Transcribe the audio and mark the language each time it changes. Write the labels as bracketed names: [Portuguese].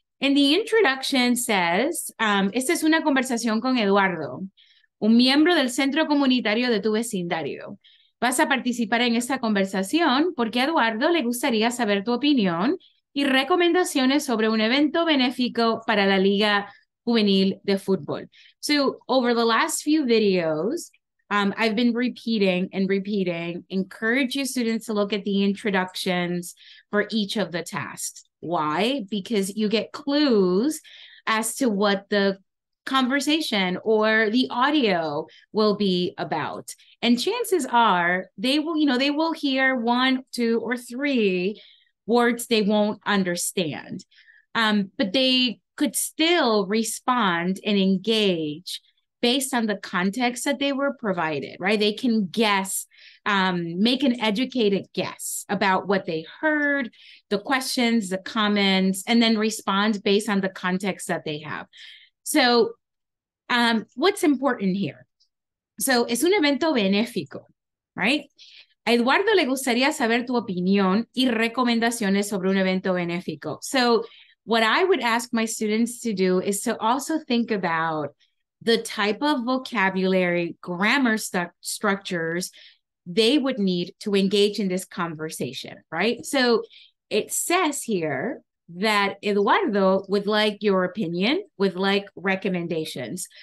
[English] And the introduction says, [Spanish] esta es una conversación con Eduardo, un miembro del centro comunitario de tu vecindario. Vas a participar en esta conversación porque a Eduardo le gustaría saber tu opinión y recomendaciones sobre un evento benéfico para la Liga Juvenil de Fútbol. [English] So over the last few videos, I've been repeating and repeating, encourage your students to look at the introductions for each of the tasks. Why? Because you get clues as to what the conversation or the audio will be about. And chances are they will, you know, they will hear one, two, or three words they won't understand. But they could still respond and engage based on the context that they were provided, right? They can guess, make an educated guess about what they heard, the questions, the comments, and then respond based on the context that they have. So what's important here? So [Spanish] es un evento benéfico, [English] right? [Spanish] Eduardo le gustaría saber tu opinión y recomendaciones sobre un evento benéfico. [English] So what I would ask my students to do is to also think about the type of vocabulary, grammar structures they would need to engage in this conversation, right? So it says here that Eduardo would like your opinion, would like recommendations.